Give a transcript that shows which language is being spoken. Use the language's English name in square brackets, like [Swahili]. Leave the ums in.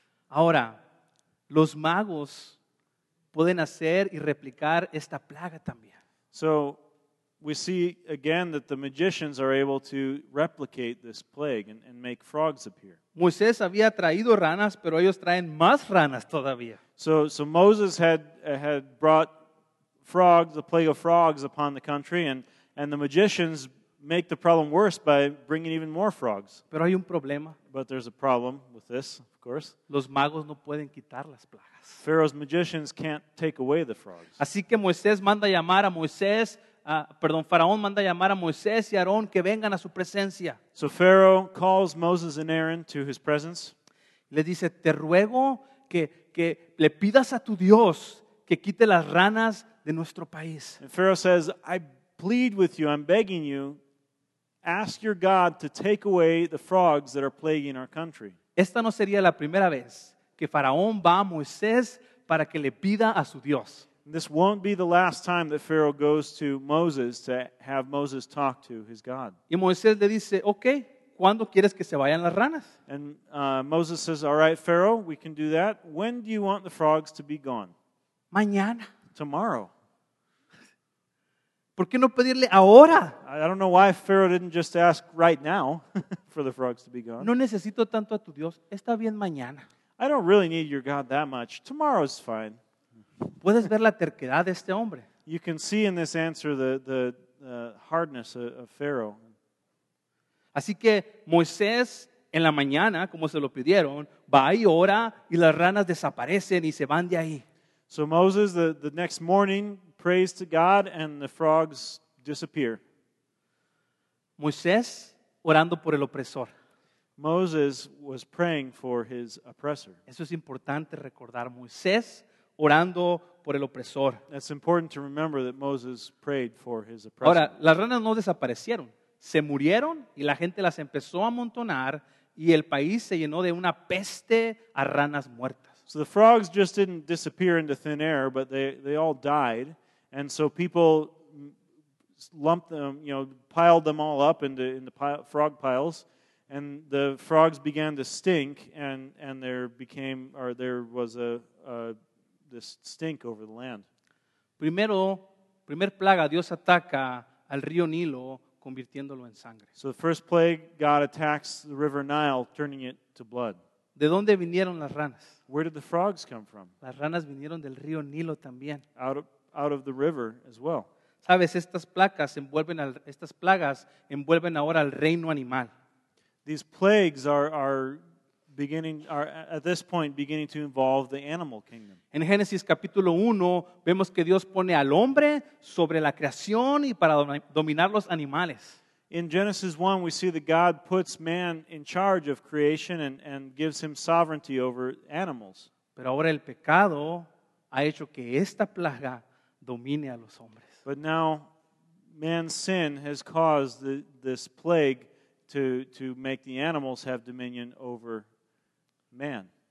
[Spanish] Ahora, los magos pueden hacer y replicar esta plaga también. [English] So, we see again that the magicians are able to replicate this plague and, make frogs appear. So, so Moses had, uh, had brought Frogs, the plague of frogs upon the country, and, and the magicians make the problem worse by bringing even more frogs. But there's a problem with this, of course. [Spanish] Los no [English] Pharaoh's magicians can't take away the frogs. [Spanish] Moisés, uh, perdón, [English] Aarón, so Pharaoh calls Moses and Aaron to his presence. He says, "I beg you, [Spanish] que le pidas a tu Dios que quite las ranas [English] and Pharaoh says, I plead with you, I'm begging you, ask your God to take away the frogs that are plaguing our country. [Spanish] Esta no sería la primera vez que Faraón va a Moisés para que le pida a su Dios. [English] This won't be the last time that Pharaoh goes to Moses to have Moses talk to his God. Moses says, [Spanish] le dice, okay, ¿cuándo quieres que se vayan las ranas? [English] And uh, Moses says, all right, Pharaoh, we can do that. When do you want the frogs to be gone? [Spanish] Mañana. [English] Tomorrow. [Spanish] ¿Por qué no pedirle ahora? No necesito tanto a tu Dios, está bien mañana. [English] I don't really need your God that much. Fine. [Spanish] Puedes ver la terquedad de este hombre. [English] You can see in this the, the, uh, of [Spanish] Así que Moisés en la mañana, como se lo pidieron, va y ora y las ranas desaparecen y se van de ahí. [English] So Moses, the, next morning, Praise to God and the frogs disappear. [Spanish] Moisés orando por el opresor. [English] Moses was praying for his oppressor. [Spanish] Eso es importante recordar. Moisés orando por el opresor. [English] It's important to remember that Moses prayed for his oppressor. [Spanish] Ahora, las ranas no desaparecieron. Se murieron y la gente las empezó a amontonar y el país se llenó de una peste a ranas muertas. [English] So the frogs just didn't disappear into thin air, but they, they all died. and so people lumped them, you know, piled them all up into, into pile, frog piles, and the frogs began to stink, and, and there became, or there was a, a this stink over the land. [Spanish] Primero, primer plaga, Dios ataca al río Nilo, convirtiéndolo en sangre. [English] So the first plague, God attacks the river Nile, turning it to blood. [Spanish] ¿De dónde vinieron las ranas? [English] Where did the frogs come from? [Spanish] Las ranas vinieron del río Nilo también [English] out of the river as well. [Spanish] Sabes, estas, al, estas plagas envuelven ahora al reino animal. [English] These plagues are, are, beginning are at this point beginning to involve the animal kingdom. In Génesis chapter 1 [Spanish] vemos que Dios pone al hombre sobre la creación y para dominar los animales. [English] In Genesis 1 we see that God puts man in charge of creation and, and gives him sovereignty over animals. But now, the sin has made this plague. [Spanish] domine a los hombres. [English] But now man's sin has caused the, this plague to, to, make the animals have dominion over man.